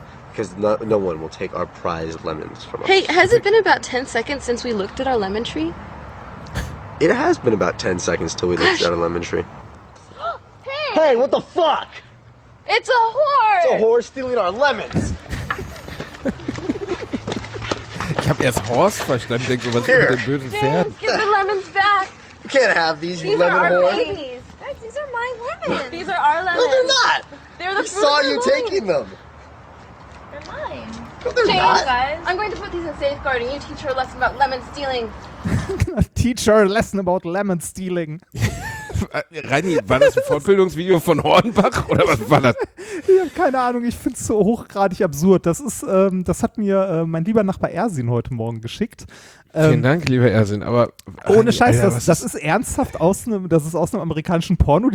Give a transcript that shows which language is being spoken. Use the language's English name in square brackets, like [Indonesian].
[English] Because no one will take our prized lemons from us. Hey, has it been about 10 seconds since we looked at our lemon tree? It has been about 10 seconds till we looked at our lemon tree. Hey! Hey, what the fuck? It's a whore! It's a whore stealing our lemons! [German] Ich hab erst Horst verstanden, denke, was ist mit dem bösen Pferd? [English] Give the lemons back! You can't have these, you lemon whore. These are our babies. Guys, these are my lemons. These are our lemons. No, they're not! They're the fruit of the loins. I saw you taking them. They're mine. No, they're Shame, not. Guys. I'm going to put these in safeguard and you teach her a lesson about lemon stealing. Teach her a lesson about lemon stealing. [German] Reini, war das ein Fortbildungsvideo von Hornbach oder was war das? Ich habe keine Ahnung, ich finde es so hochgradig absurd. Das ist, das hat mir mein lieber Nachbar Ersin heute Morgen geschickt. Vielen Dank, lieber Ersin, aber ohne Scheiß, Alter, das ist ernsthaft aus einem amerikanischen Porno.